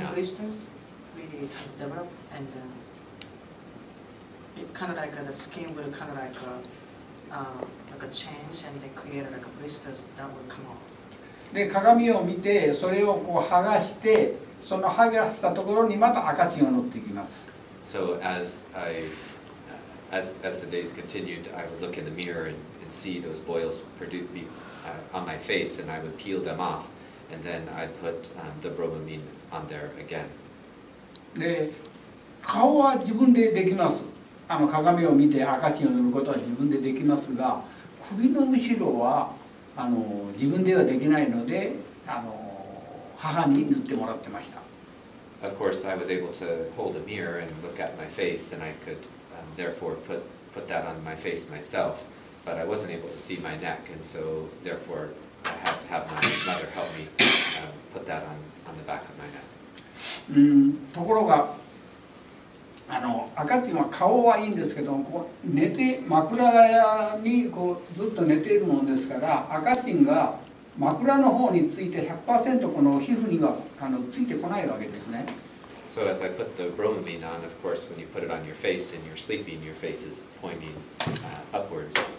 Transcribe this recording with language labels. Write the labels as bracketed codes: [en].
[en] Dried blisters really develop, and it kind of like the skin will kind of like a change, and they create like blisters that will come off. [ja] で鏡を見て、それをこう剥がして、その剥がしたところにまた赤チンを塗っていきます。 [en] So as the days continued, I would look in the mirror andsee those boils produced on my face, and I would peel them off, and then I'd put the bromamine on there again. [ja] で、顔は自分でできます。あの鏡を見て赤チンを塗ることは自分でできますが、首の後ろはあの自分ではできないので、あの母に塗ってもらってました。 [en] Of course, I was able to hold a mirror and look at my face, and I could therefore put that on my face myself. But I wasn't able to see my neck, and so therefore I had to have my mother help me put that on the back of my neck. [ja] ところが、あの赤ちゃんは顔はいいんですけど、こう寝て枕にこうずっと寝ているもんですから、赤ちゃんが枕の方について 100% この皮膚にはあのついてこないわけですね。 [en] So as I put the bromamine on, of course, when you put it on your face and you're sleeping, your face is pointing upwards.